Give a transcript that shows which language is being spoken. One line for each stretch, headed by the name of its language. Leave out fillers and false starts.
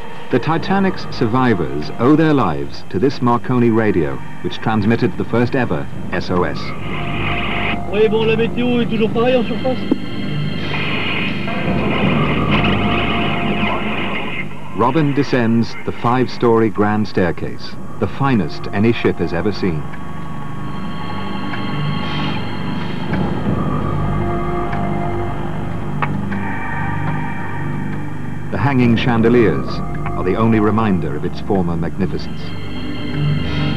English: The Titanic's survivors owe their lives to this Marconi radio, which transmitted the first ever SOS.
French: Oui, bon, la météo est toujours pareille en surface.
English: Robin descends the five-story grand staircase, the finest any ship has ever seen. The hanging chandeliers are the only reminder of its former magnificence.